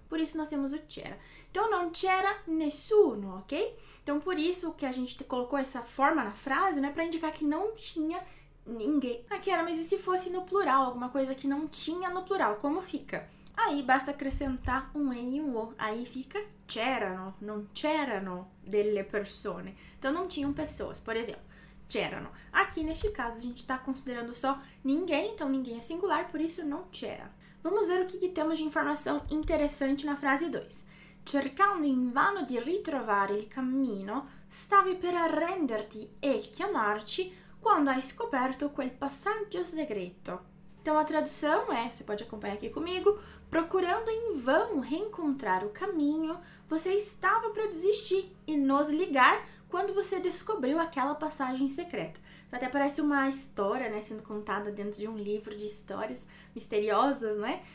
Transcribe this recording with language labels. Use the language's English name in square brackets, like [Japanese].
[Portuguese] Por isso nós temos o c'era. Então, não [Italian] c'era nessuno, [Portuguese] ok? Então, por isso que a gente colocou essa forma na frase, né? Pra indicar que não tinha ninguém. Aqui era, mas e se fosse no plural? Alguma coisa que não tinha no plural, como fica? Aí, basta acrescentar um N e um O. [Italian] Aí fica c'erano, non c'erano delle persone. [Portuguese] Então, não tinham pessoas, por exemplo. C'erano. Aqui, neste caso, a gente está considerando só ninguém, então ninguém é singular, por isso não c'era. Vamos ver o que, que temos de informação interessante na frase 2. [Italian] Cercando invano di ritrovare il cammino, stavi per arrenderti e chiamarci quando hai scoperto quel passaggio segreto. [Portuguese] Então, a tradução é, você pode acompanhar aqui comigo, procurando em vão reencontrar o caminho, você estava para desistir e nos ligar quando você descobriu aquela passagem secreta. Então, até parece uma história, né, sendo contada dentro de um livro de histórias misteriosas, né?